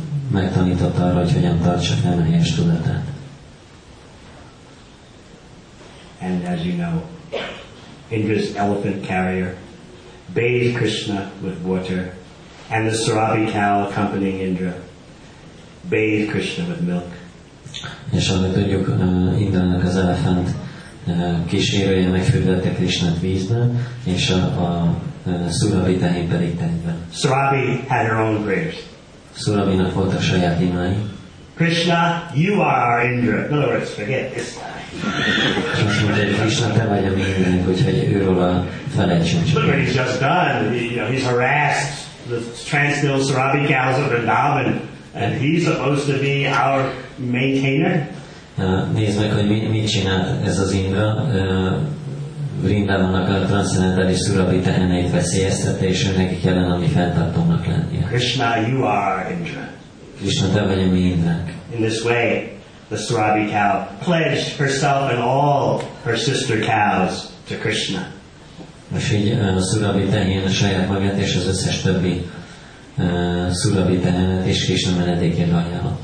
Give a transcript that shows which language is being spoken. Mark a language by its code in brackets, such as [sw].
[hu] Megtanította arra, hogy hogyan tartsa fenn a helyes tudatát. [en] And as you know, Indra's elephant carrier bathed Krishna with water, and the Sarabi cow accompanying Indra bathed Krishna with milk. [hu] És ahogy tudjuk, Indra-nak az elefánt kísérője megfürdette Krisnát vízben, és a Surabi tehén pedig tenyben. [en] Surabi had her own prayers. [hu] Surabinak volt a saját imái. [en] Krishna, you are our Indra. In other words, forget this guy. [hu] Most mondja, hogy Krishna, te vagy a mi Indrunk, úgyhogy őről a felejtsünk. [en] Look what he's just done. He, you know, he's harassed the transdil Surabi cows of Vrindavan, and he's supposed to be our maintainer. [hu] Nézd meg, hogy mit csinált ez az Indra. Vrindavannak a transzcendentális Surabi teheneit veszélyeztette, és őnek kellene a mi fenntartónak lennie. [en] Krishna, you are Indra. [hu] Krishna, te vagy a mi Indránk. [en] In this way, the Surabi cow pledged herself and all her sister cows to Krishna. [hu] Most így a Surabi tehén a saját magát és az összes többi Surabi tehenet és Krishna menedékén ajánlott.